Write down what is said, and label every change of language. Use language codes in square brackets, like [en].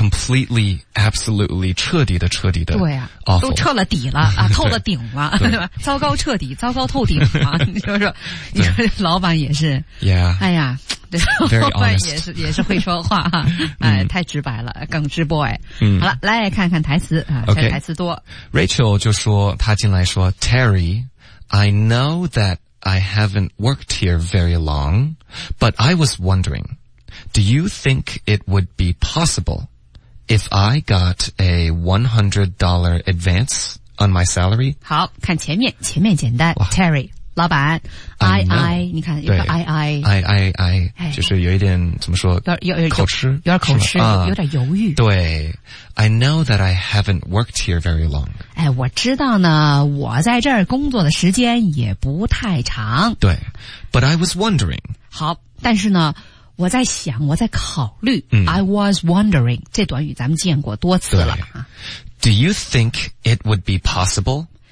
[en] ，completely, absolutely, [zh] 彻底的，对呀、啊，都彻了底了啊，透了顶了，对吧？糟糕彻底，糟糕透顶啊！你说这老板也是， [en] yeah. [zh] 哎呀，对， [en] Very、 [zh] 老板也是会说话哈、啊，哎，太直白了，耿直 boy。好了，来看看台词啊， [en] okay. [zh] 台词多。 [en] Rachel [zh] 就说，他进来说 [en] ，Terry, I know that I haven't worked here very long, but I was wondering. Do you think it would be possible if I got a $100 advance on my salary? [zh] 好，看前面简单。Terry, 老板 ,II, 你看有个 II。 II, 就是有一点怎么说有点口吃、有点犹豫。对。 [en] I know that I haven't worked here very long. [zh] 哎，我知道呢，我在这儿工作的时间也不太长。 [en] 对。But I was wondering. [zh] 好，但是呢我在想我在考虑、 [en] I was wondering [zh] 这短语咱们见过多次了吧 [en] Do you think it would be possible?